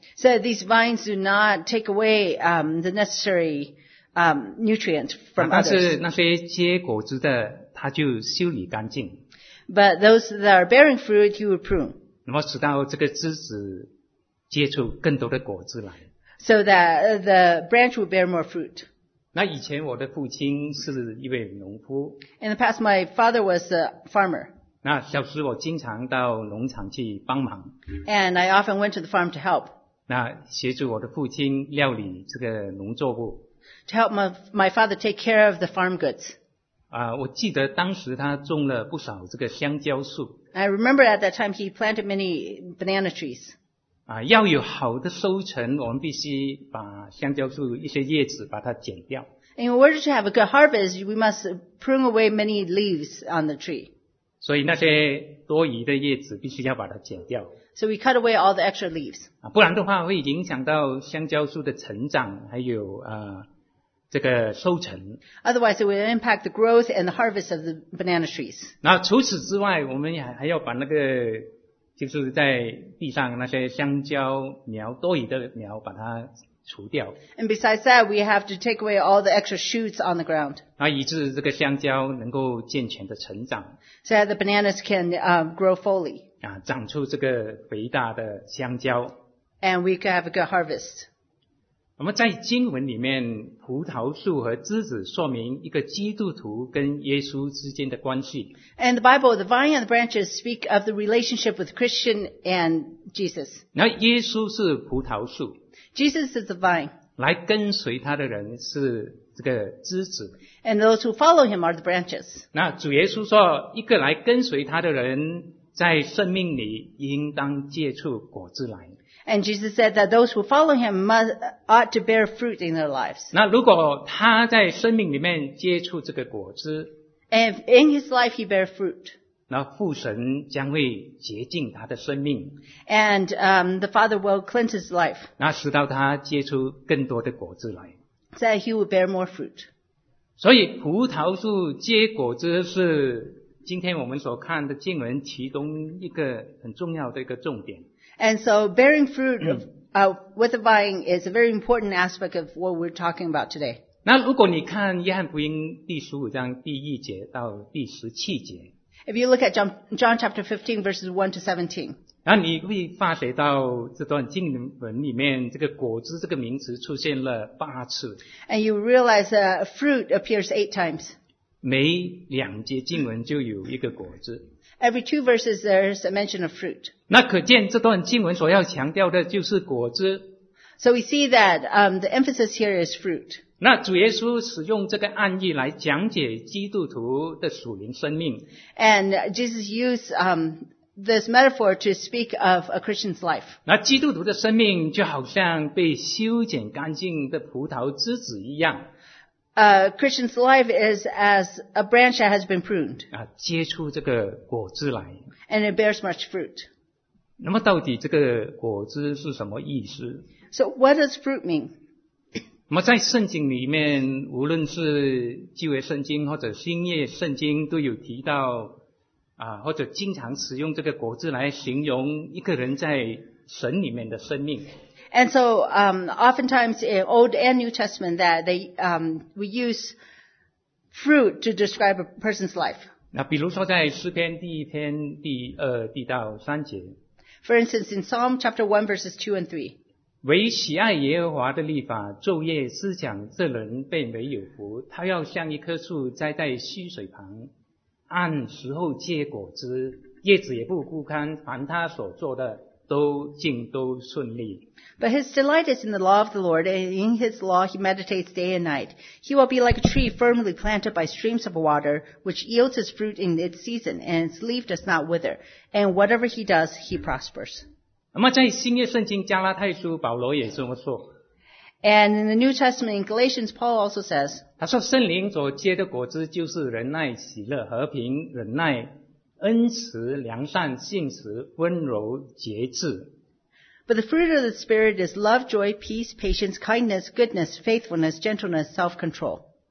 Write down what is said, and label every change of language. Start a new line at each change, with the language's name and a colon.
English: So these vines do not take away the necessary nutrients from others.
Chinese: 但是那些结果子的他就修理干净。
English: But those that are bearing fruit, you will prune.
Chinese: 那么使到这个枝子结出更多的果子来。
English: So that the branch will bear more fruit.
Chinese: 那以前我的父亲是一位农夫。
English: In the past, my father was a farmer.
Chinese: 那小时我经常到农场去帮忙。
English: And I often went to the farm to help.
Chinese: 那协助我的父亲料理这个农作物。
English: To help my father take care of the farm goods.
Chinese: 我记得当时他种了不少这个香蕉树。
English: I remember at that time he planted many banana trees.
Chinese: 要有好的收成，我们必须把香蕉树一些叶子把它剪掉。
English: In order to have a good harvest, we must prune away many leaves on the tree.
Chinese: 所以那些多余的叶子必须要把它剪掉。
English: So we cut away all the extra leaves.
Chinese: 不然的话会影响到香蕉树的成长，还有这个收成。
English: Otherwise, it will impact the growth and the harvest of the banana trees.
Chinese: 那除此之外，我们还要把那个就是在地上那些香蕉苗多余的苗把它除掉。
English: And besides that, we have to take away all the extra shoots on the ground.
Chinese: 那以致这个香蕉能够健全的成长。
English: So that the bananas can grow fully.
Chinese: 长出这个肥大的香蕉。
English: And we can have a good harvest.
Chinese: 我们在经文里面，葡萄树和枝子说明一个基督徒跟耶稣之间的关系。
English: And the Bible, the vine and the branches speak of the relationship with Christian and Jesus.
Chinese: 那耶稣是葡萄树。
English: Jesus is the vine.
Chinese: 来跟随他的人是这个枝子。
English: And those who follow him are the branches.
Chinese: 那主耶稣说，一个来跟随他的人，在生命里应当结出果子来。
English: And Jesus said that those who follow him ought to bear fruit in their lives.
Chinese: 那如果他在生命里面结出这个果子，
English: And if in his life he bear fruit,
Chinese: 那父神将会洁净他的生命，
English: And the Father will cleanse his life.
Chinese: 那使到他结出更多的果子来，
English: So that he will bear more fruit.
Chinese: 所以葡萄树结果子是今天我们所看的经文其中一个很重要的一个重点。
English: And so bearing fruit with a vine is a very important aspect of what we're talking about today.
Chinese: 那如果你看约翰福音第十五章第一节到第十七节，
English: If you look at John chapter 15 verses 1 to 17,
Chinese: 那你会发觉到这段经文里面这个果子这个名词出现了八次。
English: And you realize that fruit appears 8 times.
Chinese: 每两节经文就有一个果子。
English: Every two verses there is a mention of fruit.
Chinese: 那可见这段经文所要强调的就是果子。
English: So we see that, the emphasis here is fruit.
Chinese: 那主耶稣使用这个案例来讲解基督徒的属灵生命。
English: And Jesus used, this metaphor to speak of a Christian's life.
Chinese: 那基督徒的生命就好像被修剪干净的葡萄枝子一样。
English: Christian's life is as a branch that has been pruned.
Chinese: 啊，结出这个果子来。
English: And it bears much fruit.
Chinese: 那么到底这个果子是什么意思？
English: So what does fruit mean?
Chinese: 那么在圣经里面，无论是旧约圣经或者新约圣经，都有提到啊，或者经常使用这个果子来形容一个人在神里面的生命。
English: And so, oftentimes in Old and New Testament, that they we use fruit to describe a person's life.
Chinese: 那比如说在诗篇第一篇第二第到三节。
English: For instance, in Psalm chapter 1 verses 2 and 3.
Chinese: 唯喜爱耶和华的律法，昼夜思想，这人便为有福。他要像一棵树栽在溪水旁，按时候结果子，叶子也不枯干，凡他所做的都尽都顺利。
English: But his delight is in the law of the Lord, and in his law he meditates day and night. He will be like a tree firmly planted by streams of water, which yields its fruit in its season, and its leaf does not wither. And whatever he does, he prospers.
Chinese: 那么在新约圣经加拉太书保罗也这么说。
English: And in the New Testament in Galatians, Paul also says,
Chinese: 他说圣灵所结的果子就是仁爱、喜乐、和平、忍耐、恩慈、良善、信实、温柔、节制。
English: But the fruit of the Spirit is love, joy, peace, patience, kindness, goodness, faithfulness, gentleness, self-control.